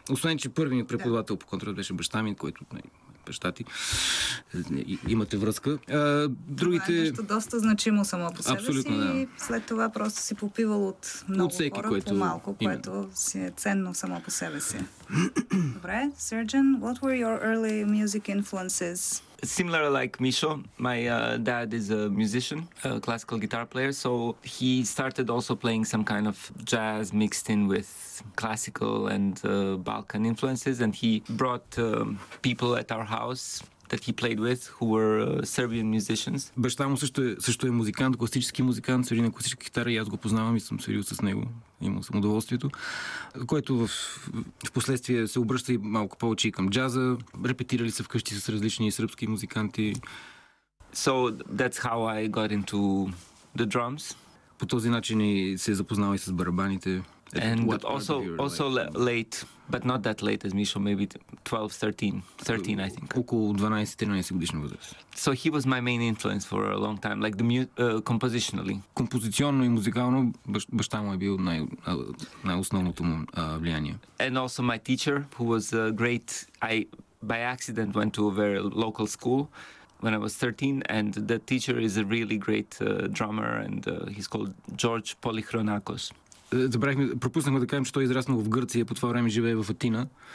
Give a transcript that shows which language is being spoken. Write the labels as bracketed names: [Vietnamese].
[Bulgarian] Освен, че първият ми преподавател по контрабас беше баща ми, който... Баща ти. Имате връзка. Другите... Това е нещо доста значимо само по себе. Абсолютно, си. Да. И след това просто си попивал от много от всеки, хора, което... по-малко, което си е ценно само по себе си. Добре. [English] Surgeon, what were your early music influences? Similar like Misho, my dad is a musician, a classical guitar player, so he started also playing some kind of jazz mixed in with classical and Balkan influences, and he brought people at our house that he played with who were Serbian musicians. [Bulgarian] Баща му също е музикант, класически музикант, свири на класическа китара и аз го познавам и съм свирил с него. Имал съм удоволствието, което в последствие се обръща и малко повече и към джаза. Репетирали се вкъщи с различни сръбски музиканти. [English] So that's how I got into the drums. [Bulgarian] По този начин и се запознава и с барабаните. [English] And also late, but not that late as Misho, maybe 13, I think. [Bulgarian] Около 12-13 годишна възраст. [English] So he was my main influence for a long time, like the compositionally. [Bulgarian] Композиционно и музикално баща му е бил най-основното му влияние. [English] And also my teacher, who was great. I by accident went to a very local school when I was 13, and the teacher is a really great drummer, and he's called George Polychronakos. [Bulgarian] Пропуснахме да кажем, че той е израснал в Гърция, по това време живее в Атина.